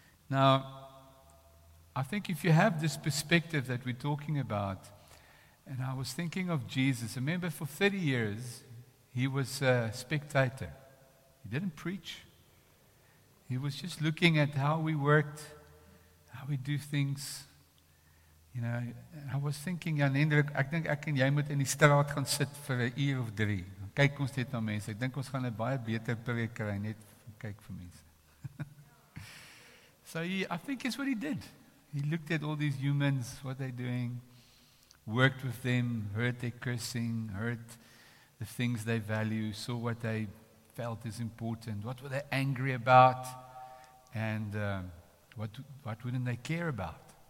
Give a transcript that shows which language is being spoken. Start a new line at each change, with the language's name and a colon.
English: Now, I think if you have this perspective that we're talking about, and I was thinking of Jesus, remember for 30 years, he was a spectator. He didn't preach. He was just looking at how we worked, how we do things. You know, I was thinking,
Afrikaans: Jan Hendrik, ek dink ek en jy moet in die straat gaan sit vir 'n uur of drie. Kyk ons net na mense. Ek dink ons gaan 'n baie beter preek kry net kyk vir mense.
English: So I think it's what he did. He looked at all these humans, what they're doing, worked with them, heard their cursing, heard the things they value, saw what they felt is important, what were they angry about, and what wouldn't they care about.